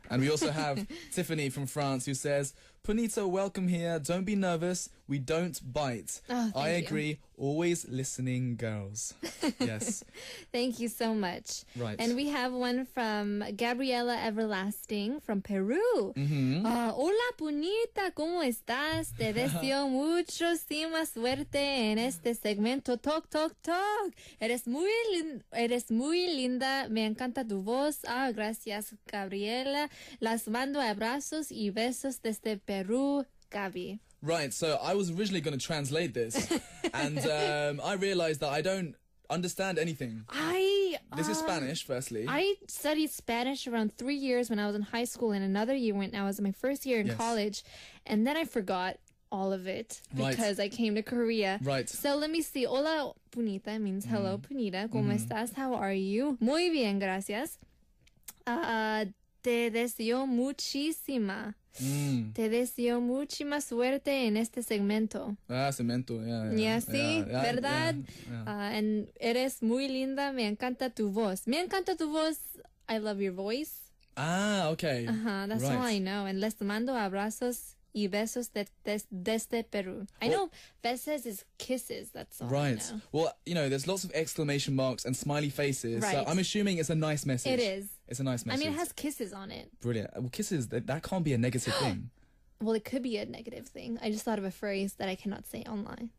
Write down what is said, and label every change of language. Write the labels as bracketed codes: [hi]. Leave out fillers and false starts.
[en] And we also have Tiffany from France who says, Punita, welcome here. Don't be nervous. We don't bite. Oh, I agree. Always listening, girls. Yes. Thank you so much. Right. And we have one from Gabriela Everlasting from Peru. Mm-hmm. [es] Hola, Punita. ¿Cómo estás? Te deseo muchísima suerte en este segmento. [en] Talk, talk, talk. [es] Eres muy linda. Me encanta tu voz. Ah, gracias, Gabriela. Las mando abrazos y besos desde Perú, Gaby. [en] Right, so I was originally going to translate this, and I realized that I don't understand anything. I This is Spanish, firstly. I studied Spanish around 3 years when I was in high school and another year when I was in my first year in college. And then I forgot all of it because I came to Korea. Right. So let me see. Hola, Punita means hello, Punita. [es] ¿Cómo estás? [en] How are you? [es] Muy bien, gracias. Te deseo muchísima. Te deseo muchísima suerte en este segmento. Ah, segmento, ¿verdad? And eres muy linda, me encanta tu voz. Me encanta tu voz, [en] I love your voice. Ah, okay. That's right. All I know. [es] And les mando abrazos y besos desde Perú. [en] I know besos is kisses, that's all right. I know. Well, you know, there's lots of exclamation marks and smiley faces. Right. So I'm assuming it's a nice message. It is. It's a nice message. I mean, it has kisses on it. Brilliant. Well, kisses, that can't be a negative thing. Well, it could be a negative thing. I just thought of a phrase that I cannot say online.